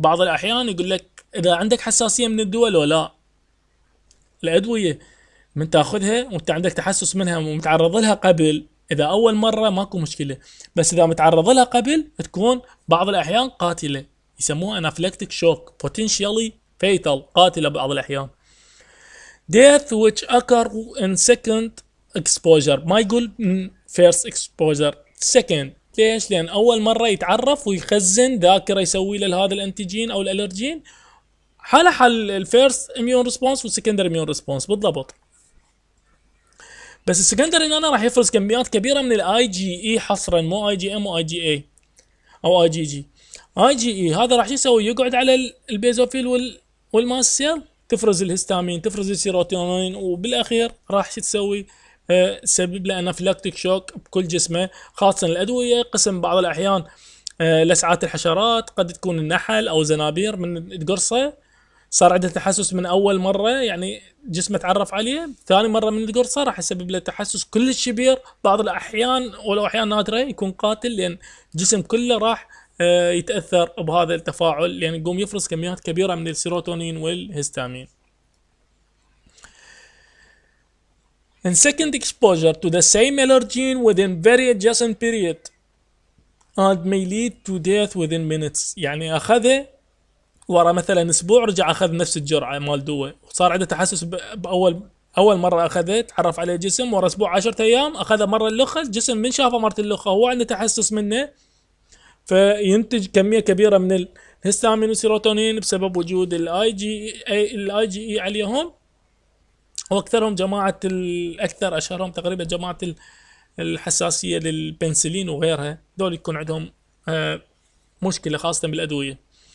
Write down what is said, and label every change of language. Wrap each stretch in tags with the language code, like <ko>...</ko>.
<ar>بعض الاحيان يقول لك اذا عندك حساسيه من الدواء لو لا الادويه من تاخذها وانت عندك تحسس منها ومتعرض لها قبل، اذا اول مره ماكو مشكله، بس اذا متعرض لها قبل تكون بعض الاحيان قاتله، يسموها انافلكتيك شوك،</ar> <en>potentially fatal,</en> <ar>قاتله بعض الاحيان.</ar> <en>Death which occur in second exposure،</en> <ar>ما يقول</ar> <en>first exposure، second.</en> <ar>ليش؟ لأن أول مرة يتعرف ويخزن ذاكرة يسوي لهذا الانتيجين أو الألرجين، حالة حال</ar> <en>first immune response</en> <ar>والsecondary immune response بالضبط. بس السكندري أنا راح يفرز كميات كبيرة من الـ IgE حصرا، مو IgM و IgA أو IgG. IgE هذا راح يسوي يقعد على البيزوفيل والماسيل، تفرز الهستامين، تفرز السيروتونين، وبالاخير راح تسوي سبب له انافلاكتيك شوك بكل جسمه، خاصه الادويه قسم بعض الاحيان لسعات الحشرات، قد تكون النحل او زنابير من القرصه، صار عنده تحسس من اول مره يعني جسمه تعرف عليه، ثاني مره من القرصه راح يسبب له تحسس كلش كبير، بعض الاحيان ولو احيان نادره يكون قاتل، لان الجسم كله راح يتأثر بهذا التفاعل، لأن يعني يقوم يفرز كميات كبيرة من السيروتونين والهستامين.</ar> <en>And second exposure to the same allergen within very adjacent period and may lead to death within minutes.</en> <ar>يعني أخذه ورا مثلا أسبوع رجع أخذ نفس الجرعة مال دواء وصار عنده تحسس بأول مرة أخذه تعرف على الجسم، ورا أسبوع 10 أيام أخذه مرة الأخرى الجسم من شافه مرة الأخرى هو عنده تحسس منه، فينتج كمية كبيرة من الهستامين والسيروتونين بسبب وجود الاي جي اي عليهم، واكثرهم جماعة الاكثر اشهرهم تقريبا جماعة الحساسية للبنسلين وغيرها، دول يكون عندهم مشكلة خاصة بالادوية.</ar>